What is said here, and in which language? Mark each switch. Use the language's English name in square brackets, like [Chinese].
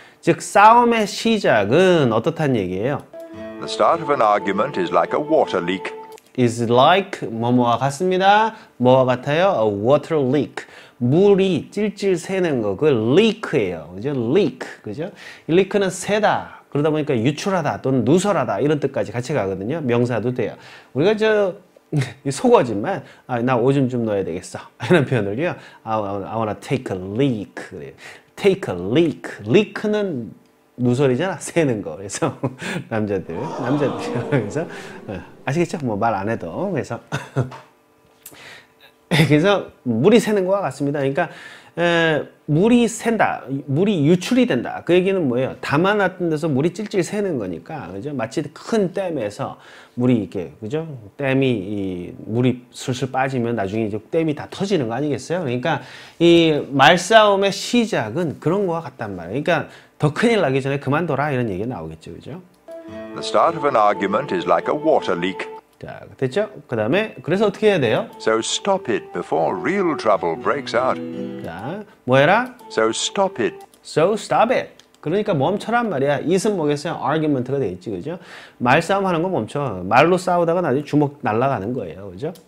[Korean] 즉 싸움의 시작은 어떻다는 얘기예요? [English] the start of an argument is like a water leak. is like [Korean] 뭐뭐와 같습니다. 뭐와 같아요? [English] a water leak. [Korean] 물이 찔찔 새는 거. 그 leak예요. 그죠? leak. 그죠? leak는 새다. 그러다 보니까 유출하다 또는 누설하다 이런 뜻까지 같이 가거든요. 명사도 돼요. 우리가 저 속어지만 아, 나 오줌 좀 넣어야 되겠어. 이런 표현을요. [English] I wanna take a leak. take a leak. [Korean] leak는 누설이잖아. 새는 거. 그래서 남자들. 그래서 아시겠죠? 뭐 말 안 해도. 그래서 그래서 물이 새는 거와 같습니다. 그러니까 물이 샌다, 물이 유출이 된다. 그 얘기는 뭐예요? 담아놨던 데서 물이 찔찔 새는 거니까, 그죠? 마치 큰 댐에서 물이 이렇게, 그죠? 댐이 이 물이 슬슬 빠지면 나중에 이제 댐이 다 터지는 거 아니겠어요? 그러니까 이 말싸움의 시작은 그런 거와 같단 말이에요. 그러니까 더 큰일 나기 전에 그만둬라 이런 얘기가 나오겠죠, 그죠? [English] The start of an argument is like a water leak. [Korean] 자, 됐죠? 그 다음에 그래서 어떻게 해야 돼요? [English] So stop it before real trouble breaks out. [Korean] 자, 뭐 해라? [English] So stop it. So stop it. [Korean] 그러니까 멈춰란 말이야. It은 뭐겠어요? Argument가 되겠지, 그죠? 말싸움하는 거 멈춰. 말로 싸우다가 나중에 주먹 날아가는 거예요, 그죠?